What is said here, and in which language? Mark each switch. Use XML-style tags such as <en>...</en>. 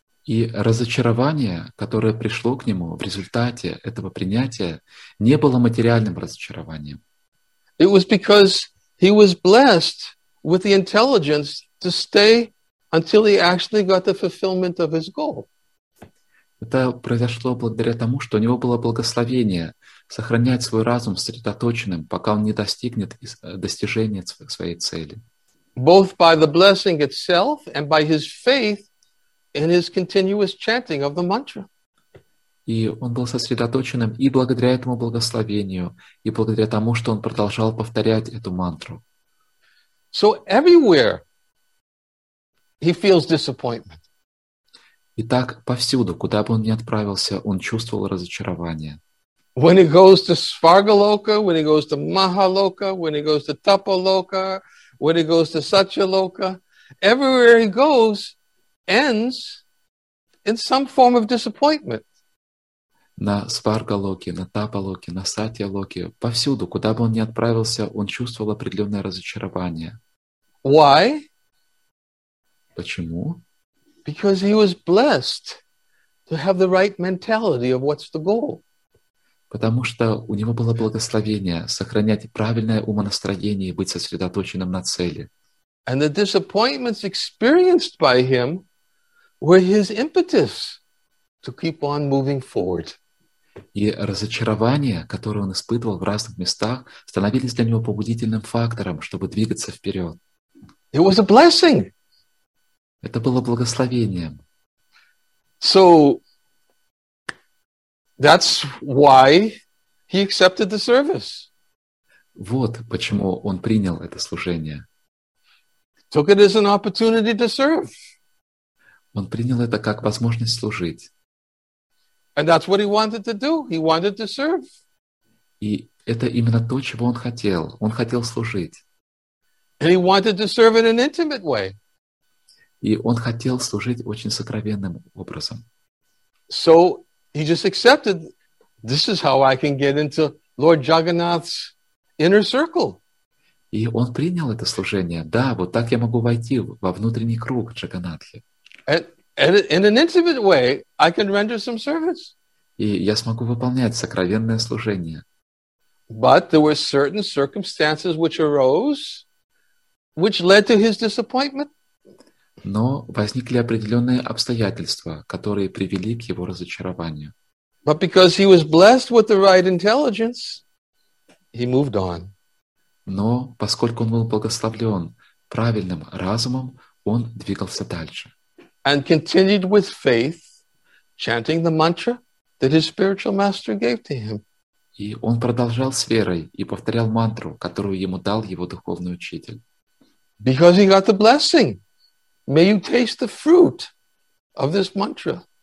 <ru>И разочарование, которое пришло к нему в результате этого принятия, не было материальным разочарованием.</ru> <en>It was because he was blessed with the intelligence to stay until he actually got the fulfillment of his goal.</en> <ru>Это произошло благодаря тому, что у него было благословение сохранять свой разум сосредоточенным, пока он не достигнет достижения своей цели.</ru> <en>Both by the blessing itself and by his faith in his continuous chanting of the mantra.</en> <ru>И он был сосредоточенным и благодаря этому благословению, и благодаря тому, что он продолжал повторять эту мантру.</ru> <en>So everywhere he feels disappointment.</en> <ru>Итак, повсюду, куда бы он ни отправился, он чувствовал разочарование.</ru> <en>When he goes to Svargaloka, when he goes to Mahaloka, when he goes to Tapaloka, when he goes to Satchaloka, everywhere he goes ends in some form of disappointment.</en> <ru>На Сваргалоке, на Тапалоке, на Сатьялоке, повсюду, куда бы он ни отправился, он чувствовал определенное разочарование.</ru> <en>Why?</en> <ru>Почему?</ru> <en>Because he was blessed to have the right mentality of what's the goal.</en> <ru>Потому что у него было благословение сохранять правильное умонастроение и быть сосредоточенным на цели.</ru> <en>And the disappointments experienced by him were his impetus to keep on moving forward.</en> <ru>И разочарования, которые он испытывал в разных местах, становились для него побудительным фактором, чтобы двигаться вперед.</ru> <en>It was a blessing.</en> <ru>Это было благословением.</ru> <en>So that's why he accepted the service.</en> <ru>Вот почему он принял это служение.</ru> <en>Took it as an opportunity to serve.</en> <ru>Он принял это как возможность служить.</ru> <en>And that's what he wanted to do. He wanted to serve.</en> <ru>И это именно то, чего он хотел. Он хотел служить.</ru> <en>And he wanted to serve in an intimate way.</en> <ru>И он хотел служить очень сокровенным образом.</ru> <en>So he just accepted, this is how I can get into Lord Jagannath's inner circle.</en> <ru>И он принял это служение. Да, вот так я могу войти во внутренний круг Джаганатхи.</ru> <en>And in an intimate way, I can render some service.</en> <ru>И я смогу выполнять сокровенное служение.</ru> <en>But there were certain circumstances which arose, which led to his disappointment.</en> <ru>Но возникли определенные обстоятельства, которые привели к его разочарованию.</ru> <en>But because he was blessed with the right intelligence, he moved on.</en> <ru>Но поскольку он был благословлен правильным разумом, он двигался дальше.</ru> <en>And continued with faith, chanting the mantra that his spiritual master gave to him.</en> <ru>И он продолжал с верой и повторял мантру, которую ему дал его духовный учитель.</ru> <en>Because he got the blessing. May you taste the fruit of this mantra.</en>